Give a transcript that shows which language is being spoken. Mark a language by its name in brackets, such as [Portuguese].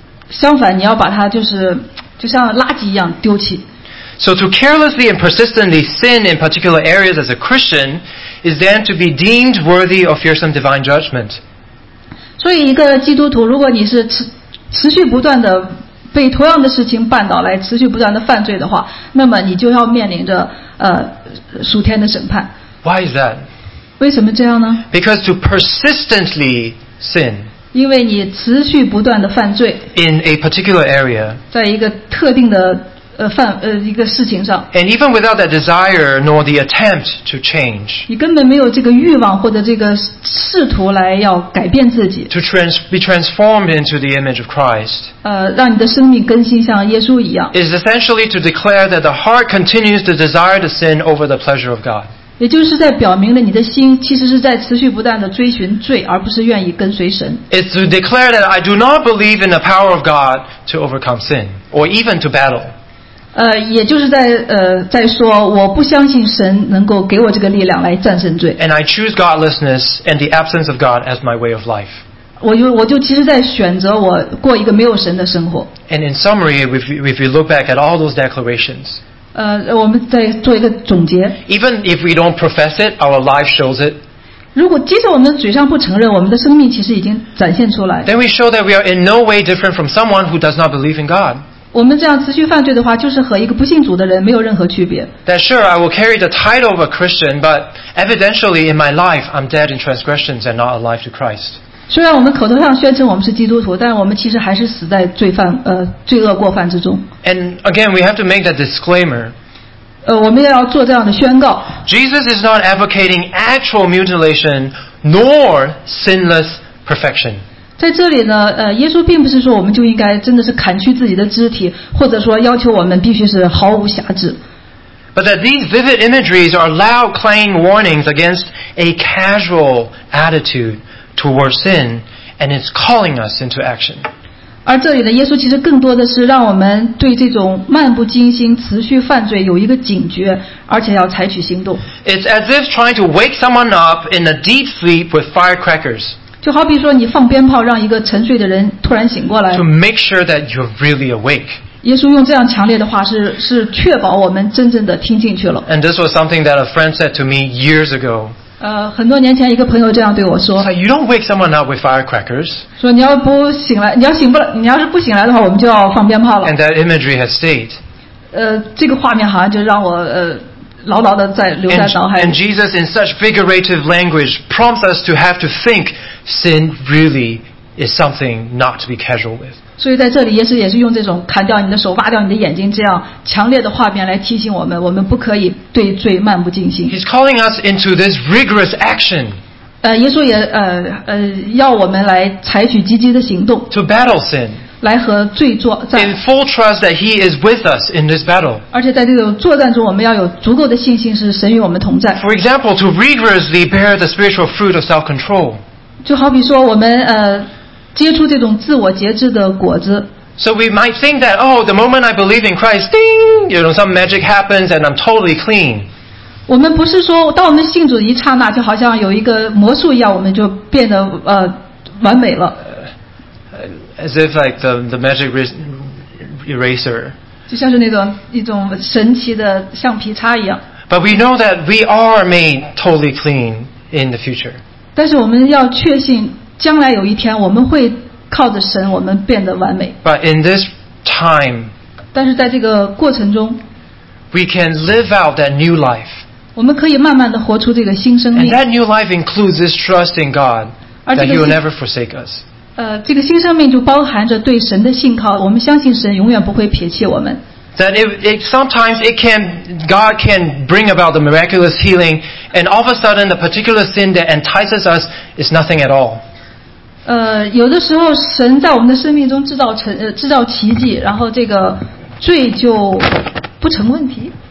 [Chinese] 相反，你要把它就像垃圾一样丢弃。 [English] So to carelessly and persistently sin in particular areas as a Christian is then to be deemed worthy of fearsome divine judgment. [Chinese] 所以一个基督徒，如果你是持续不断的被同样的事情绊倒来，持续不断的犯罪的话，那么你就要面临着属天的审判。 [English] Why is that? [Chinese] 为什么这样呢？ [English] Because to persistently sin. [Chinese] 因为你持续不断的犯罪。 [English] In a particular area. [Chinese] 在一个特定的一个事情上。 [English] And even without that desire nor the attempt to change. [Chinese] 你根本没有这个欲望或者这个试图来要改变自己。 [English] To be transformed into the image of Christ. [Chinese] 让你的生命更新像耶稣一样。 [English] Is essentially to declare that the heart continues to desire to sin over the pleasure of God. [Chinese] 也就是在表明了你的心其实是在持续不断的追寻罪，而不是愿意跟随神。 [English] Is to declare that I do not believe in the power of God to overcome sin or even to battle. [Chinese] 也就是在说我不相信神能够给我这个力量来战胜罪。 [English] And I choose godlessness and the absence of God as my way of life. [Chinese] 我就其实在选择我过一个没有神的生活。 [English] And in summary, if we look back at all those declarations, [Chinese] 我们再做一个总结。 [English] Even if we don't profess it, our life shows it. [Chinese] 如果即使我们嘴上不承认，我们的生命其实已经展现出来。 [English] Then we show that we are in no way different from someone who does not believe in God. [Chinese] 我们这样持续犯罪的话，就是和一个不信主的人没有任何区别。 [English] That sure, I will carry the title of a Christian, but evidentially in my life, I'm dead in transgressions and not alive to Christ. [Chinese] 虽然我们口头上宣称我们是基督徒，但我们其实还是死在罪恶过犯之中。 [English] And again, we have to make that disclaimer. [Chinese] 我们要做这样的宣告。 [English] Jesus is not advocating actual mutilation nor sinless perfection. [Chinese] 在这里呢，耶稣并不是说我们就应该真的是砍去自己的肢体，或者说要求我们必须是毫无瑕疵。 [English] But that these vivid imageries are loud clanging warnings against a casual attitude towards sin and it's calling us into action. [Chinese] 而这里呢，耶稣其实更多的是让我们对这种漫不经心、持续犯罪有一个警觉，而且要采取行动。 [English] It's as if trying to wake someone up in a deep sleep with firecrackers. [Chinese] 就好比说你放鞭炮，让一个沉睡的人突然醒过来。 [English] To make sure that you're really awake. [Chinese] 耶稣用这样强烈的话是确保我们真正的听进去了。 [English] And this was something that a friend said to me years ago. [Chinese] 很多年前一个朋友这样对我说 [English] like, You don't wake someone up with firecrackers [Chinese] 说你要不醒来 你要是不醒来的话我们就要放鞭炮了 [English] And that imagery has stayed [Chinese] 这个画面好像就让我牢牢的在留在脑海里 [English] And Jesus in such figurative language prompts us to have to think sin really is something not to be casual with [Chinese] 所以在这里耶稣也是用这种砍掉你的手挖掉你的眼睛这样强烈的画面来提醒我们我们不可以对罪漫不经心 [English] He's calling us into this rigorous action [Chinese] 耶稣也要我们来采取积极的行动 [English] To battle sin [Chinese] 来和罪作战 [English] In full trust that he is with us in this battle [Chinese] 而且在这种作战中我们要有足够的信心是神与我们同在 [English] For example, to rigorously bear the spiritual fruit of self-control [Chinese] 就好比说我们接触这种自我节制的果子。 [English] So we might think that, oh, the moment I believe in Christ, ding, you know, some magic happens and I'm totally clean. [Chinese] 我们不是说当我们信主一刹那就好像有一个魔术一样我们就变得完美了。 [English] As if like the magic eraser. [Chinese] 就像是那种一种神奇的橡皮擦一样。 [English] But we know that we are made totally clean in the future. [Chinese] 但是我们要确信将来有一天我们会靠着神我们变得完美 [English] But in this time [Chinese] 但是在这个过程中 [English] We can live out that new life [Chinese] 我们可以慢慢地活出这个新生命 [English] And that new life includes this trust in God That he will never forsake us [Chinese] 这个新生命就包含着对神的信靠我们相信神永远不会撇弃我们 [English] That sometimes it can God can bring about the miraculous healing And all of a sudden the particular sin that entices us is nothing at all [Chinese] 有的时候神在我们的生命中制造奇迹然后这个罪就不成问题